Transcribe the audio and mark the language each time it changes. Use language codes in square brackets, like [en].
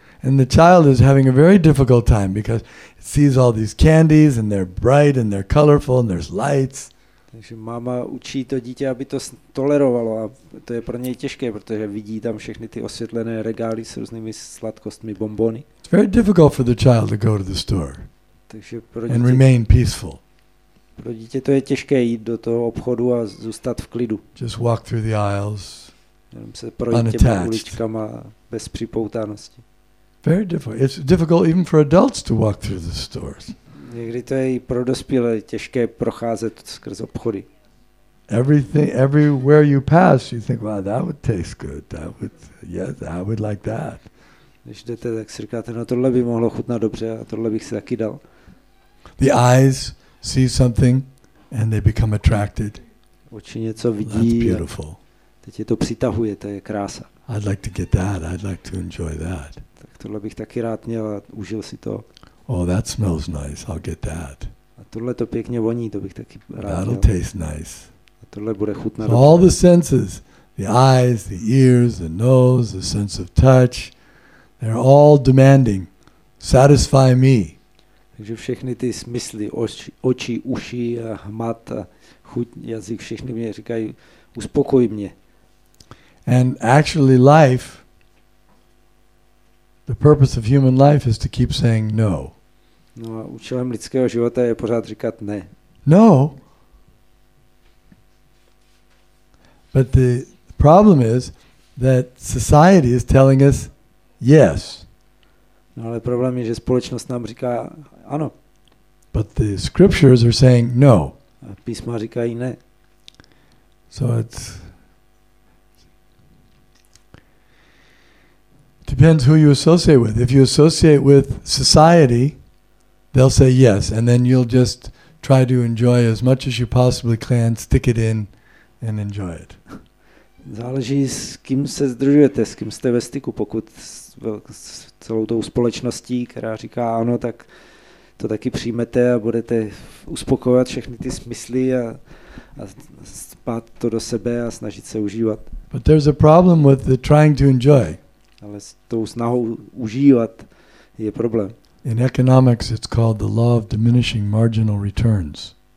[en] And the child is having a very difficult time because it sees all these candies and they're bright and they're colorful and there's lights. [cs] Takže máma učí to dítě, aby to tolerovalo a to je pro něj těžké, protože vidí tam všechny ty osvětlené regály s různými sladkostmi, bonbony. [en] It's very difficult for the child to go to the store. [cs] Takže pro dítě, [en] and remain peaceful. [cs] Pro dítě to je těžké jít do toho obchodu a zůstat v klidu. [en] Just walk through the aisles. [cs] Jenom se projít těmi uličkama bez připoutanosti. [en] Very difficult. It's difficult even for adults to walk through the stores. [cs] Někdy to je i pro dospělé těžké procházet skrz obchody. [en] Everything, everywhere you pass, you think, wow, that would taste good. That would, yes, I would like that. [cs] Když jdete, tak si říkáte, no tohle by mohlo chutnat dobře a tohle bych si taky dal. [en] The eyes see something and they become attracted. [cs] Oči něco vidí. [en] That's beautiful. [cs] Teď je to přitahuje, to je krása. [en] I'd like to get that, I'd like to enjoy that. [cs] Tak tohle bych taky rád měl a užil si to. [en] Oh, that smells nice, I'll get that. [cs] A tohle to pěkně voní, to bych taky rád [en] That'll [cs] měl. [en] Taste nice. [cs] A tohle bude chutnat so dobře. [en] All the senses, the eyes, the ears, the nose, the sense of touch, they're all demanding, satisfy me. [cs] Takže všechny ty smysly, oči, uši, a hmat, a chuť, jazyk, všechny mě říkají, uspokoj mě. [en] And actually life, the purpose of human life is to keep saying no. [cs] No a účelem lidského života je pořád říkat ne. [en] No. But the problem is that society is telling us yes. [cs] No ale problém je, že společnost nám říká ano. [en] But the scriptures are saying no. [cs] A písma říkají ne. [en] So it's depends who you associate with. If you associate with society, they'll say yes, and then you'll just try to enjoy as much as you possibly can, stick it in and enjoy it. [cs] Záleží, s kým se združujete, s kým jste ve styku. Pokud s celou tou společností, která říká ano, tak to taky přijmete a budete uspokojovat všechny ty smysly a spát to do sebe a snažit se užívat. [en] But there's a problem with the trying to enjoy. [cs] Ale s tou snahou užívat je problém. [en] In economics it's called the law of diminishing marginal returns.